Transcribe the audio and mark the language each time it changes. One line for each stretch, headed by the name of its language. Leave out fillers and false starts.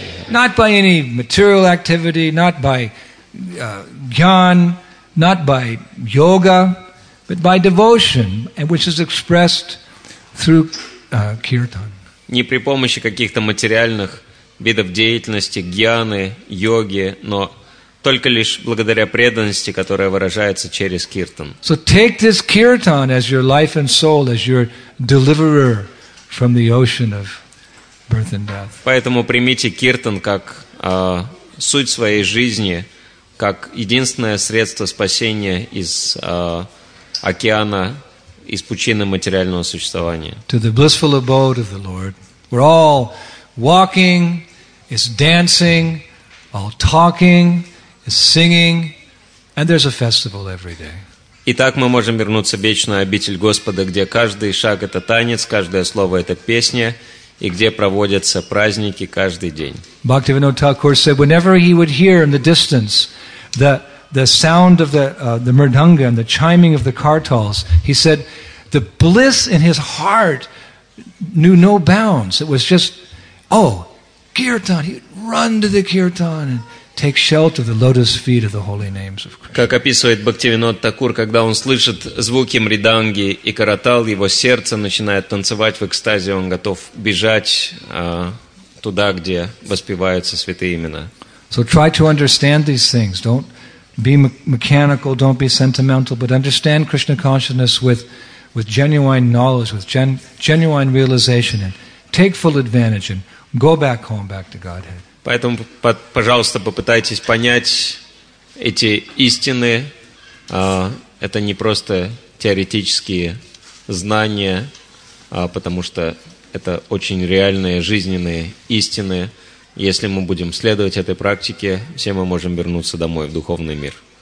English: Not by any material activity, not by jnana, not by yoga, but by devotion, which is expressed through kirtan.
Russian: Не при помощи каких-то материальных видов деятельности, гьяны, йоги, но только лишь благодаря преданности, которая выражается через киртан.
English: So take this kirtan as your life and soul, as your deliverer from the ocean of birth and death.
Russian: Поэтому примите киртан как суть своей жизни, как единственное средство спасения из океана, из пучины материального существования.
English: To the blissful abode of the Lord. We're all walking, it's dancing, all talking, it's singing, and there's a festival every day.
Russian: Итак, мы можем вернуться в вечную обитель Господа, где каждый шаг – это танец, каждое слово – это песня, и где проводятся праздники каждый день.
English: Bhaktivinoda Thakur said, whenever he would hear in the distance the sound of the mridanga and the chiming of the kartals, he said, the bliss in his heart knew no bounds. It was just, oh, kirtan. He'd run to the kirtan and take shelter of the lotus feet of the holy names of Krishna.
Russian: Как описывает Бхактивинод Такур, когда он слышит звуки мриданги и каратал, его сердце начинает танцевать в экстазе, он готов бежать туда, где воспеваются святые имена.
English: So try to understand these things. Don't be mechanical, don't be sentimental, but understand Krishna consciousness with genuine knowledge, with genuine realization, and take full advantage and go back home, back to Godhead.
Russian: Поэтому, пожалуйста, попытайтесь понять эти истины. Это не просто теоретические знания, потому что это очень реальные жизненные истины. Если мы будем следовать этой практике, все мы можем вернуться домой в духовный мир.